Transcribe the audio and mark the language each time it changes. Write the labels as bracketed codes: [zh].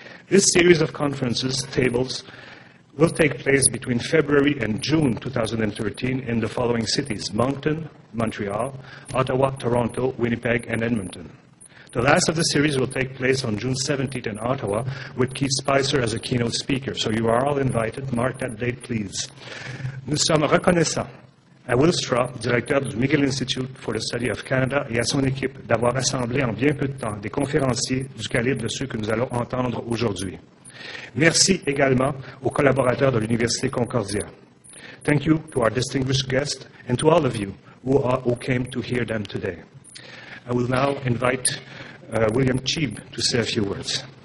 [en] This series of conferences, tables, will take place between February and June 2013 in the following cities: Moncton, Montreal, Ottawa, Toronto, Winnipeg, and Edmonton. The last of the series will take place on June 17th in Ottawa with Keith Spicer as a keynote speaker. So you are all invited. Mark that date, please. [fr] Nous sommes reconnaissants à Will Straw, directeur du McGill Institute for the Study of Canada, et à son équipe d'avoir rassemblé en bien peu de temps des conférenciers du calibre de ceux que nous allons entendre aujourd'hui. Merci également aux collaborateurs de l'Université Concordia. [en] Thank you to our distinguished guests and to all of you who came to hear them today. I will now invite William Cheeb to say a few words.